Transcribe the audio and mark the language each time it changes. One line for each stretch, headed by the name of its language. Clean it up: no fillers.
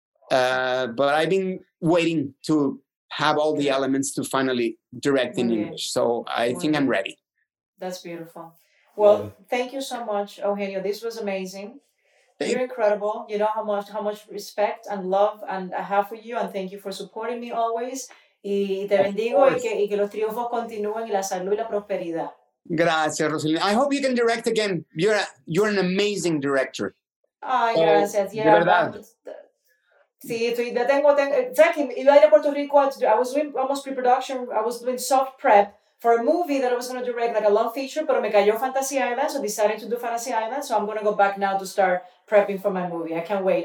English: But I've been waiting to have all the elements to finally direct in English. So I think I'm ready. That's beautiful. Well, thank you so much, Eugenio. This was amazing. You're incredible. You know how much respect and love and I have for you, and thank you for supporting me always.
Spanish: Y te bendigo y que los triunfos continúen y la salud y la prosperidad. Gracias, Rosalina.
English: I hope you can direct again. You're an amazing director.
Spanish: Ay, gracias. Yeah. De verdad. Sí, tengo, iba a Puerto Rico.
English: I was doing almost pre-production. I was doing soft prep for a movie that I was going to direct, like a long feature,
Spanish: pero me cayó
English: Fantasy Island, so decided to do Fantasy Island, so I'm going to go back now to start prepping for my movie. I can't wait.